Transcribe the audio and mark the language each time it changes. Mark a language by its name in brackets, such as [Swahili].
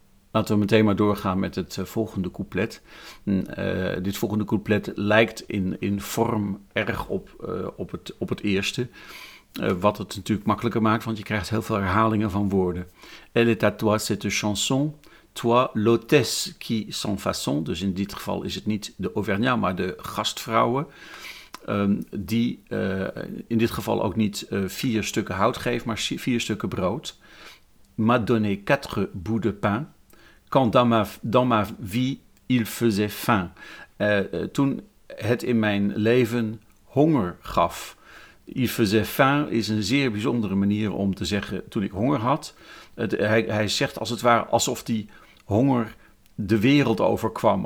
[Dutch] Laten we meteen maar doorgaan met het volgende couplet. Dit volgende couplet lijkt in vorm erg op het eerste. Wat het natuurlijk makkelijker maakt, want je krijgt heel veel herhalingen van woorden. [French] Elle est à toi cette chanson, toi l'hôtesse qui sans façon. [Dutch] Dus in dit geval is het niet de Auvergnat, maar de gastvrouwen. Die in dit geval ook niet vier stukken hout geeft, maar vier stukken brood. [French] M'a donné quatre bouts de pain. Quand dans ma vie il faisait faim. [Dutch] Toen het in mijn leven honger gaf. [French] Il faisait faim [Dutch] is een zeer bijzondere manier om te zeggen toen ik honger had. Hij zegt als het ware alsof die honger de wereld overkwam.